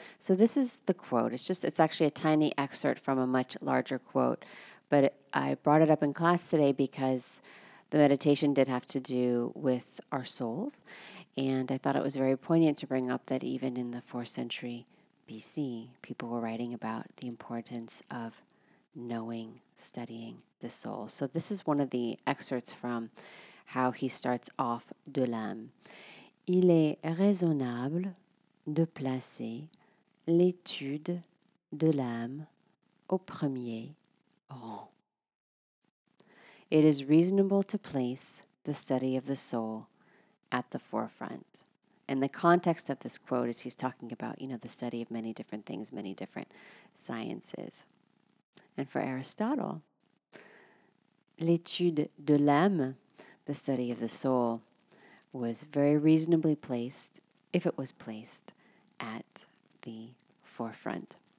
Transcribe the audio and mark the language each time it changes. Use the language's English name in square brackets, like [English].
[English] So this is the quote. It's actually a tiny excerpt from a much larger quote, but I brought it up in class today because the meditation did have to do with our souls, and I thought it was very poignant to bring up that even in the 4th century BC, people were writing about the importance of knowing, studying the soul. So this is one of the excerpts from how he starts off De l'âme. [French] Il est raisonnable de placer l'étude de l'âme au premier rang. [English] It is reasonable to place the study of the soul at the forefront. And the context of this quote is he's talking about, you know, the study of many different things, many different sciences. And for Aristotle, [French] l'étude de l'âme, [English] the study of the soul, was very reasonably placed, if it was placed, at the forefront.